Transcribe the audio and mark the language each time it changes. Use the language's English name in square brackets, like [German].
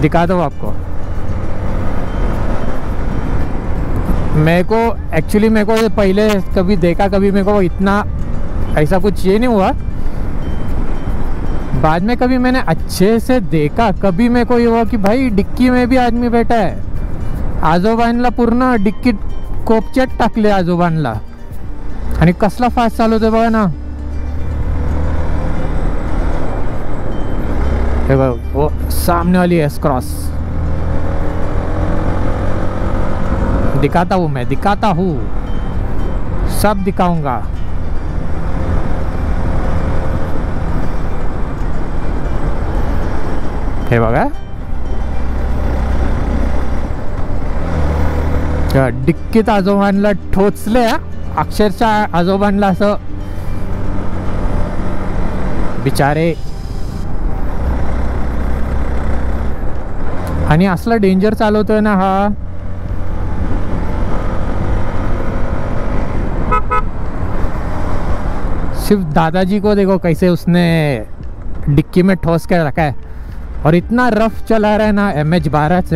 [Hindi] दिखाता हूँ आपको, मेरे को पहले कभी देखा, कभी मेरे को इतना ऐसा कुछ ये नहीं हुआ। बाद में कभी मैंने अच्छे से देखा, कभी मेरे को ये हुआ कि भाई डिक्की में भी आदमी बैठा है। [Marathi] आजोबानला पूर्ण डिक्की कोपच्यात टाकले आजोबानला, आणि कसला फास्ट चालू होते बघा ना। हे बघा [Hindi] वो सामने वाली एस क्रॉस, दिखाता हूँ मैं, दिखाता हूँ, सब दिखाऊंगा। [Marathi] हे बघा, डिक्कीत आजोबांना ठोचले, अक्षरशः आजोबांना असं बिचारे। आणि असला डेंजर चालवतोय ना हा, [Hindi] सिर्फ दादाजी को देखो कैसे उसने डिक्की में ठोस कर रखा है, और इतना रफ चला रहा है ना MH 12 से।